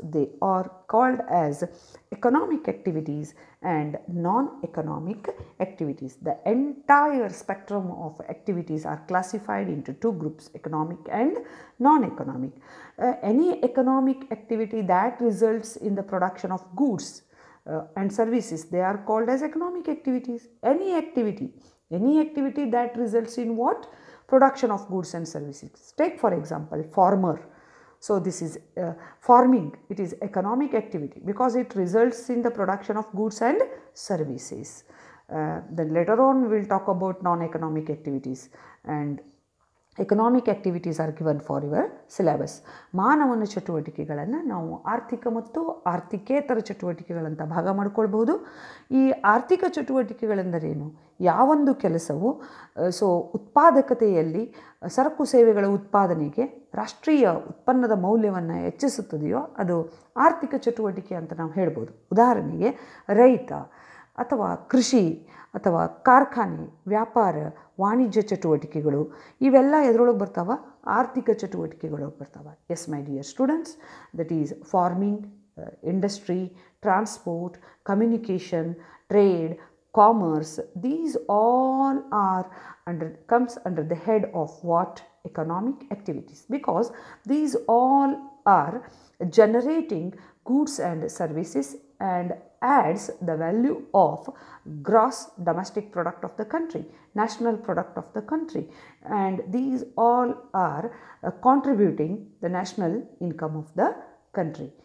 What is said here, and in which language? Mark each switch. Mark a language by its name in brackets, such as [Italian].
[English] They are called as economic activities and non economic activities. The entire spectrum of activities are classified into two groups, economic and non economic. Any economic activity that results in the production of goods and services, they are called as economic activities. Any activity Any activity that results in what? Production of goods and services. Take for example, farmer. So this is farming. It is economic activity because it results in the production of goods and services. Then later on we'll talk about non-economic activities. And economic activities are given for your syllabus. [Kannada] ಮಾನವನ ಚಟುವಟಿಕೆಗಳನ್ನು ನಾವು ಆರ್ಥಿಕ ಮತ್ತು ಆರ್ಥಿಕೇತರ ಚಟುವಟಿಕೆಗಳಂತ ಭಾಗ ಮಾಡಿಕೊಳ್ಬಹುದು. ಈ ಆರ್ಥಿಕ ಚಟುವಟಿಕೆಗಳೆಂದರೇನು? ಯಾವೊಂದು ಕೆಲಸವು ಸೊ ಉತ್ಪಾದಕತೆಯಲ್ಲಿ ಸರಕು ಸೇವೆಗಳ ಉತ್ಪಾದನೆಗೆ ರಾಷ್ಟ್ರೀಯ ಉತ್ಪನ್ನದ ಮೌಲ್ಯವನ್ನು ಹೆಚ್ಚಿಸುತ್ತದೆಯೋ ಅದು ಆರ್ಥಿಕ ಚಟುವಟಿಕೆ ಅಂತ ನಾವು ಹೇಳ್ಬೋದು. ಉದಾಹರಣೆಗೆ ರೈತ, ಅಥವಾ ಕೃಷಿ, ಅಥವಾ ಕಾರ್ಖಾನೆ, ವ್ಯಾಪಾರ, ವಾಣಿಜ್ಯ ಚಟುವಟಿಕೆಗಳು, ಇವೆಲ್ಲ ಎದರೊಳಗೆ ಬರ್ತಾವ? ಆರ್ಥಿಕ ಚಟುವಟಿಕೆಗಳು ಬರ್ತಾವ. [English] Yes my dear students, that is farming, industry, transport, communication, trade, commerce. These all are under comes under the head of what? Economic activities. Because these all are generating goods and services and adds the value of gross domestic product of the country, national product of the country, and these all are contributing the national income of the country.